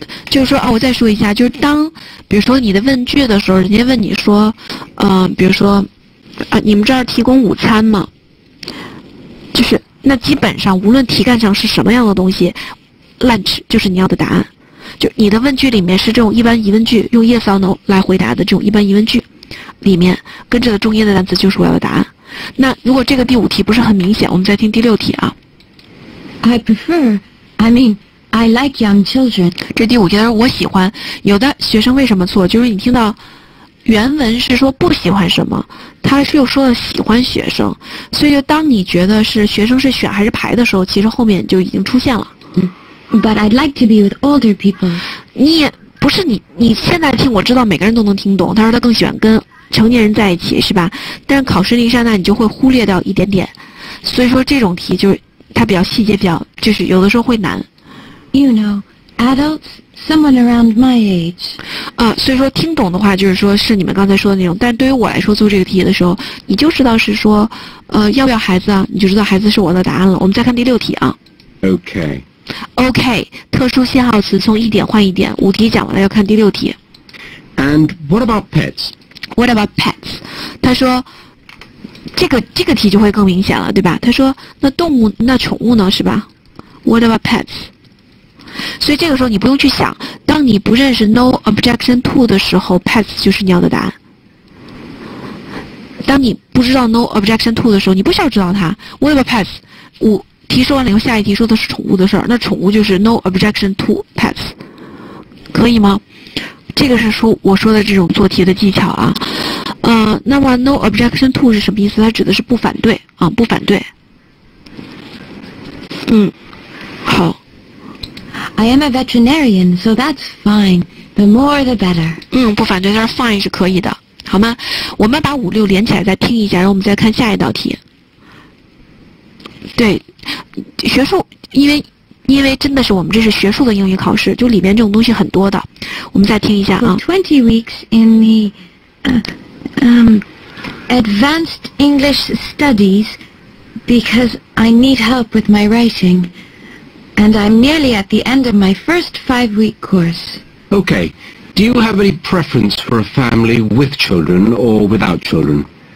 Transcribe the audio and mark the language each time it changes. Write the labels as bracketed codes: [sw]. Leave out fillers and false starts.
[zh] 就是说啊，我再说一下，就是当比如说你的问句的时候，人家问你说比如说啊，你们这儿提供午餐吗，就是那基本上无论题干上是什么样的东西， lunch 就是你要的答案，就你的问句里面是这种一般疑问句，用 [en] yes or no [zh] 来回答的这种一般疑问句里面跟着的中间的单词就是我要的答案。那如果这个第五题不是很明显，我们再听第六题啊。 [en] I prefer, I mean, I like young children. [zh] 这第五题他说我喜欢，有的学生为什么错，就是你听到原文是说不喜欢什么，他是又说了喜欢学生，所以就当你觉得是学生是选还是排的时候，其实后面就已经出现了。 [en] But I'd like to be with older people. [zh] 你也不是你现在听，我知道每个人都能听懂，他说他更喜欢跟成年人在一起是吧，但是考试那一刹那你就会忽略掉一点点，所以说这种题就是它比较细节，比较就是有的时候会难。 [en] You know, adults, someone around my age. [zh] 啊，所以说听懂的话就是说是你们刚才说的那种，但对于我来说做这个题的时候你就知道是说要不要孩子啊，你就知道孩子是我的答案了。我们再看第六题啊。 [en] OK [zh] 特殊信号词从一点换一点，五题讲完了要看第六题。 [en] And what about pets? What about pets? [zh] 他说这个题就会更明显了对吧，他说那动物那宠物呢是吧， [en] What about pets? [zh] 所以这个时候你不用去想，当你不认识 [en] no objection to [zh] 的时候， pets 就是你要的答案。当你不知道 [en] no objection to [zh] 的时候，你不需要知道它， [en] What about pets? [zh] 五题说完了以后下一题说的是宠物的事儿，那宠物就是 [en] no objection to pets， [zh] 可以吗？这个是说我说的这种做题的技巧啊。那么 [en] no objection to [zh] 是什么意思，它指的是不反对啊，不反对。嗯，好。 [en] I am a veterinarian, so that's fine. The more the better. [zh] 嗯，不反对，但是 fine 是可以的，好吗？我们把五六连起来再听一下，然后我们再看下一道题。对，学术，因为真的是我们这是学术的英语考试，就里面这种东西很多的，我们再听一下啊。 [en] 20 weeks in the advanced English studies because I need help with my writing and I'm nearly at the end of my first 5-week course. Okay, do you have any preference for a family with children or without children?